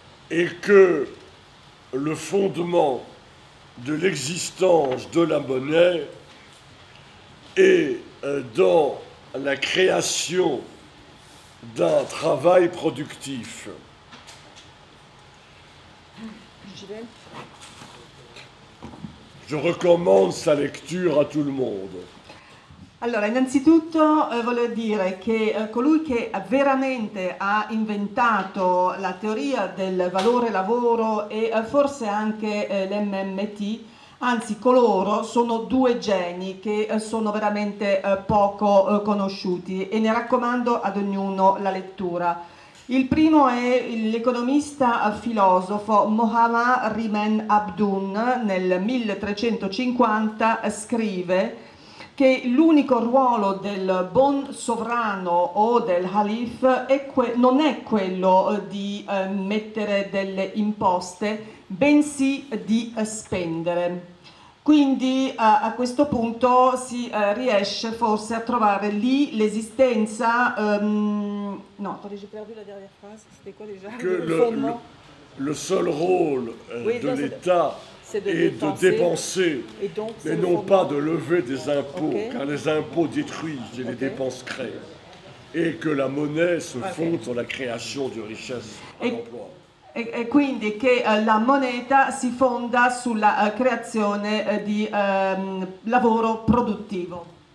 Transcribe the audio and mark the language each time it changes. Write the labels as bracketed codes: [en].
[fr] et que le fondement de l'existence de la monnaie est dans la création d'un travail productif. Je recommande sa lecture à tout le monde. [it] Allora, innanzitutto voglio dire che colui che veramente ha inventato la teoria del valore lavoro e forse anche l'MMT, anzi coloro, sono due geni che sono veramente poco conosciuti e ne raccomando ad ognuno la lettura. Il primo è l'economista filosofo Muhammad Rimen Abdun, nel 1350 scrive che l'unico ruolo del buon sovrano o del calif non è quello di mettere delle imposte, bensì di spendere. Quindi a questo punto si riesce forse a trovare lì l'esistenza. No, [fr] j'ai perdu la dernière phrase, c'était quoi déjà? Que le seul rôle de l'État est de dépenser, et donc, mais non pas de lever des impôts, car les impôts détruisent et les dépenses créent, et que la monnaie se fonde sur la création de richesses à l'emploi. [it] E quindi che la moneta si fonda sulla creazione di lavoro produttivo.